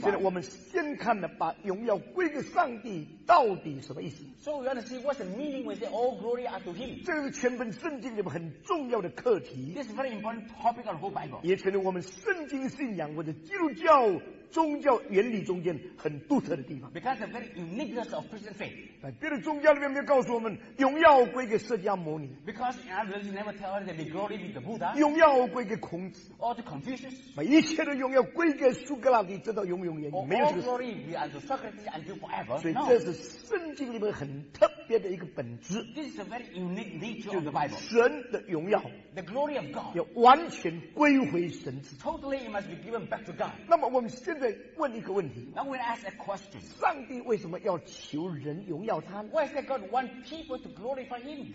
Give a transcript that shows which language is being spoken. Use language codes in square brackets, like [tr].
[zh] 现在我们先看的把荣耀归给上帝到底什么意思 [en] ？So we want to see what's the meaning when we say all glory are to him. [zh] 这是全本圣经里面很重要的课题。 [en] This is a very important topic of the whole Bible. [zh] 也成为我们圣经信仰或者基督教宗教原理中间很独特的地方。 [en] Because the very uniqueness of Christian faith. [zh] 在别的宗教里面没有告诉我们荣耀归给释迦牟尼。 [en] Because in our religion never tell us that the glory be the Buddha. [zh] 荣耀归给孔子。 [en] Or to Confucius. [zh] 把一切的荣耀归给苏格拉底，直到永永远远。 [en] All glory be unto Socrates until forever. [zh] 所以这是圣经里面很特别的一个本质。 [en] This is a very unique nature of the Bible. [zh] 神的荣耀。 [en] The glory of God. [zh] 要完全归回神之。 [en] Totally it must be given back to God. [zh] 那么我们现在在问一个问题。 [en] Now we ask a question. [zh] 上帝为什么要求人荣耀他呢？ [en] Why does God want people to glorify Him?